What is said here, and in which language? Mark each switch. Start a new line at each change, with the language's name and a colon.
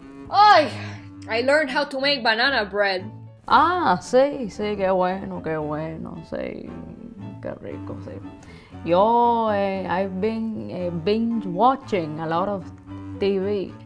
English: Ay, I learned how to make banana bread.
Spanish: Ah, sí, qué bueno, sí, qué rico, sí.
English: Yo, I've been binge watching a lot of TV.